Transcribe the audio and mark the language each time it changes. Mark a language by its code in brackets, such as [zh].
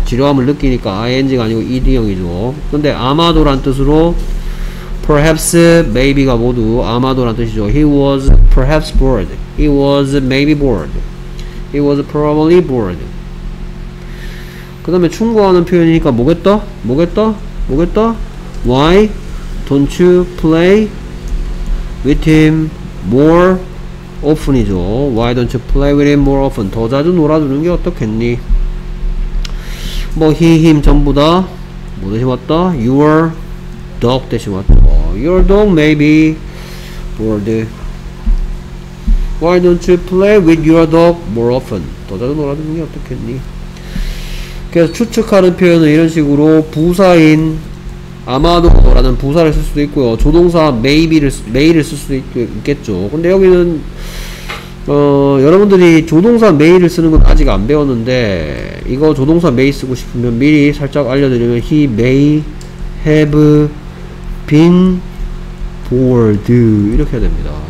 [ko] 지루함을 느끼니까 ing가 아니고 ed형이죠. 근데 아마도란 뜻으로 [en] perhaps, maybe [ko] 가 모두 아마도란 뜻이죠. [en] He was perhaps bored. He was maybe bored. He was probably bored. [ko] 그 다음에 충고하는 표현이니까 뭐겠다? 뭐겠다? 뭐겠다? [en] Why don't you play with him more often이죠. Why don't you play with him more often? [ko] 더 자주 놀아주는 게 어떻겠니? 뭐 he, him 전부 다 뭐 대신 왔다? [en] Your dog [ko] 대신 왔다. [en] Your dog may be bored. Why don't you play with your dog more often? [ko] 더 자주 놀아주는 게 어떻겠니? 그래서 추측하는 표현은 이런 식으로 부사인 아마도라는 부사를 쓸 수도 있고요. 조동사 may를 쓸 수도 있겠죠. 근데 여기는 여러분들이 조동사 may를 쓰는 건 아직 안 배웠는데 이거 조동사 may 쓰고 싶으면 미리 살짝 알려드리면 [en] he may have been bored [ko] 이렇게 해야 됩니다.